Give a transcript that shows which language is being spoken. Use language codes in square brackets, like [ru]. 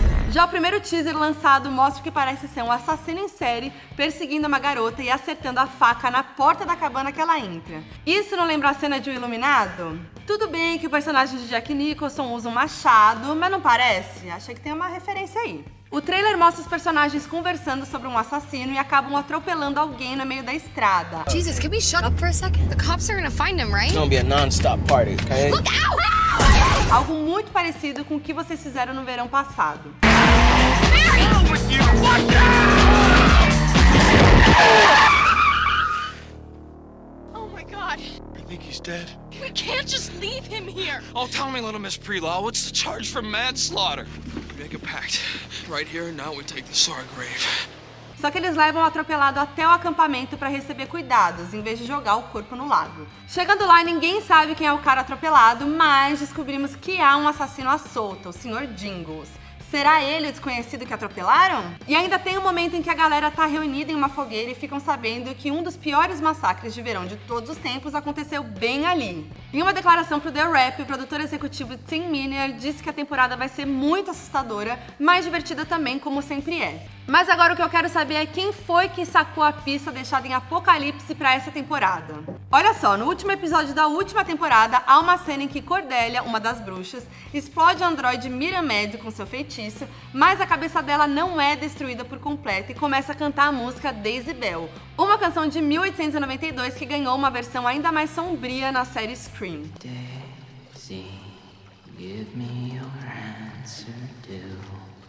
[pt] Já o primeiro teaser lançado mostra o que parece ser um assassino em série perseguindo uma garota e acertando a faca na porta da cabana que ela entra. Isso não lembra a cena de O Iluminado? Tudo bem que o personagem de Jack Nicholson usa um machado, mas não parece? Achei que tem uma referência aí. O trailer mostra os personagens conversando sobre um assassino e acabam atropelando alguém no meio da estrada. [en] Jesus, can we shut up for a second? The cops are gonna find him, right? It's gonna be a non-stop party, okay? Look out! [pt] Algo muito parecido com o que vocês fizeram no verão passado. [en] Oh my gosh. You think he's dead? We can't just leave him here. Oh, tell me, little Miss Prelaw, what's the charge for manslaughter? Make a pact. Right here now we take the Sorry grave. [pt] Só que eles levam o atropelado até o acampamento para receber cuidados, em vez de jogar o corpo no lago. Chegando lá, ninguém sabe quem é o cara atropelado, mas descobrimos que há um assassino à solta, o Sr. Jingles. Será ele o desconhecido que atropelaram? E ainda tem um momento em que a galera tá reunida em uma fogueira e ficam sabendo que um dos piores massacres de verão de todos os tempos aconteceu bem ali. Em uma declaração pro The Wrap, o produtor executivo Tim Minear disse que a temporada vai ser muito assustadora, mas divertida também, como sempre é. Mas agora o que eu quero saber é quem foi que sacou a pista deixada em Apocalipse pra essa temporada. Olha só, no último episódio da última temporada, há uma cena em que Cordélia, uma das bruxas, explode o androide Miriam Medio com seu feitiço, mas a cabeça dela não é destruída por completo e começa a cantar a música Daisy Bell, uma canção de 1892 que ganhou uma versão ainda mais sombria na série Scream. [en] Daisy, give me your answer, do.